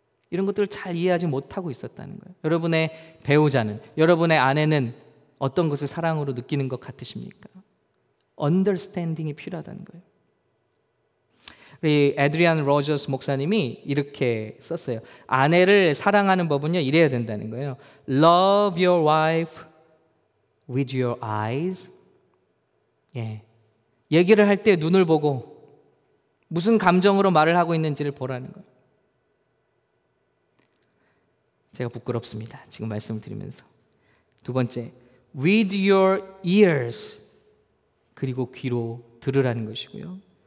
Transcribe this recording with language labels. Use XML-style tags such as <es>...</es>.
<ko>이런 것들을 잘 이해하지 못하고 있었다는 거예요. 여러분의 배우자는, 여러분의 아내는 어떤 것을 사랑으로 느끼는 것 같으십니까? Understanding이 필요하다는 거예요. 우리 애드리안 로저스 목사님이 이렇게 썼어요. 아내를 사랑하는 법은요, 이래야 된다는 거예요.</ko> <en>Love your wife with your eyes.</en> <ko>예, 얘기를 할 때 눈을 보고 무슨 감정으로 말을 하고 있는지를 보라는 거예요. 제가 부끄럽습니다, 지금 말씀을 드리면서. 두 번째,</ko> <en>with your ears,</en> <ko>그리고 귀로 들으라는 것이고요.</ko>